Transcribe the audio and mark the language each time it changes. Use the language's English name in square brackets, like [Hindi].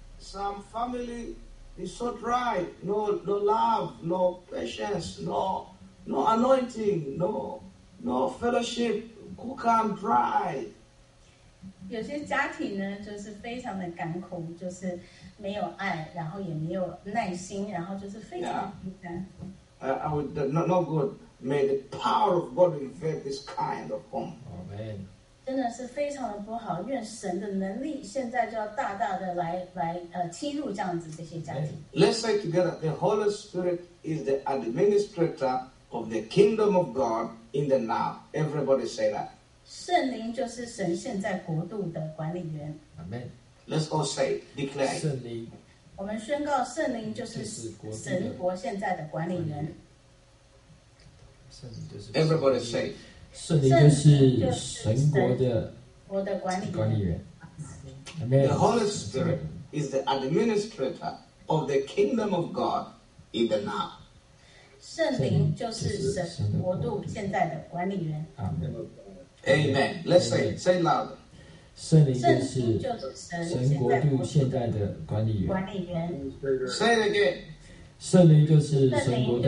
[English] Some family is so dry, no love, no patience, no anointing, no fellowship, who can dry? [Chinese] 有些家庭呢，就是非常的干枯，就是。没有爱，然后也没有耐心，然后就是非常平淡。 [English] Yeah. No good. May the power of God invade this kind of home. Amen. [Chinese] 真的是非常的不好，愿神的能力现在就要大大的来侵入这样子这些家庭。 [English] Let's say together, the Holy Spirit is the administrator of the kingdom of God in the now. Everybody say that. [Chinese] 圣灵就是神现在国度的管理员。 [English] Amen. Let's all say, declare. [Chinese] 圣灵，我们宣告圣灵就是神国现在的管理人。圣灵就是。 [English] Everybody say, [Chinese] 圣灵就是神国的管理人。 [English] Amen. The Holy Spirit is the administrator of the kingdom of God in the now. [Chinese] 圣灵就是神国度现在的管理人。 [English] Amen. Let's say louder. [Chinese] 圣灵就是神国度现在的管理员。 [English] Say it again. [Chinese] 圣灵就是神国度